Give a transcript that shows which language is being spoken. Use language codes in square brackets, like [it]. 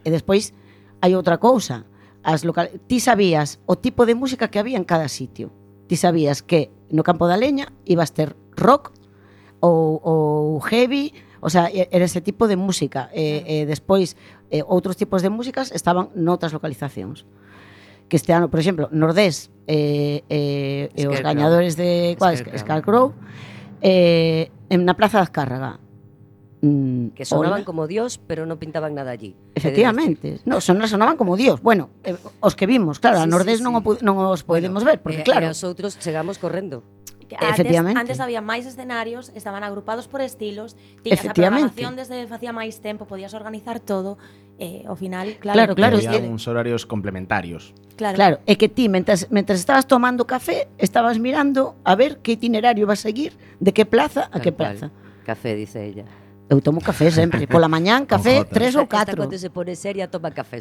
[gl] E despois, hai outra cousa. Ti sabías o tipo de música que había en cada sitio. Ti sabías que no Campo da Leña ibas ter rock ou heavy... O sea, era ese tipo de música. Despois, outros tipos de músicas estaban noutras localizacións. Que este ano, por exemplo, Nordés, os gañadores de Scarecrow, na Plaza de Azcárraga. Que sonaban como Dios, pero non pintaban nada allí. Efectivamente. Sonaban como Dios. Bueno, os que vimos, claro, sí, a Nordés, sí, sí, non os podemos, bueno, ver, porque claro. Os outros chegamos correndo. Antes había máis escenarios, estaban agrupados por estilos, tiñas a programación desde facía máis tempo, podías organizar todo, ao final, claro, había uns horarios complementarios. Claro, é que ti, mentras estabas tomando café, estabas mirando a ver que itinerario vas a seguir, de que plaza a que plaza. [es] Café, dice ella. [gl] Eu tomo café sempre, pola mañán, café, tres ou catro. [es] Esta cuando se pone seria, toma café.